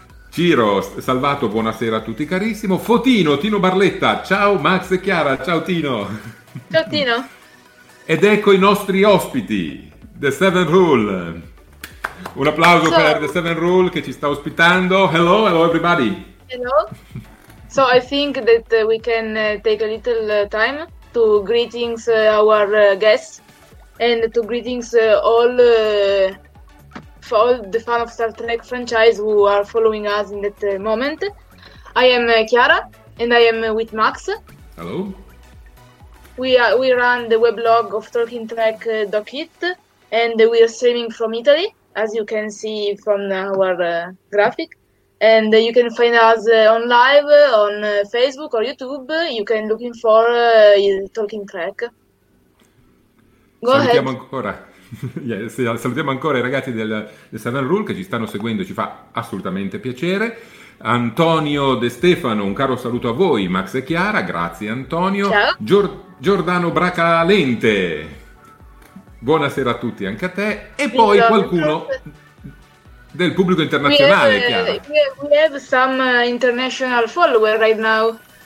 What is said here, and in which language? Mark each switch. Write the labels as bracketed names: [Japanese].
[Italian] Ciro, Salvato, buonasera a tutti carissimo. Fotino, Tino Barletta, ciao Max e Chiara, ciao Tino. Ciao Tino. Ed ecco i nostri ospiti, The Seven Rule. Un applauso per The Seven Rule che ci sta ospitando. [English] Hello, hello everybody. Hello. So I think that we can take a little time to greetings our guests and to greetings all for all the fans of Star Trek franchise who are following us in that moment. I am Chiara and I am with Max. Hello. We run the weblog of TalkingTrek.it and we are streaming from Italy, as you can see from our graphic. And you can find us on live on Facebook or YouTube. You can looking for Talking Trek. Go [Italian] salutiamo [English] ahead. [Italian] Ancora. Yeah, salutiamo ancora i ragazzi del Seven Rule che ci stanno seguendo, ci fa assolutamente piacere. Antonio De Stefano, un caro saluto a voi, Max e Chiara, grazie Antonio. Ciao. Giordano Bracalente, buonasera a tutti anche a te. E poi qualcuno del pubblico internazionale, Chiara. [English] We have some international follower right now.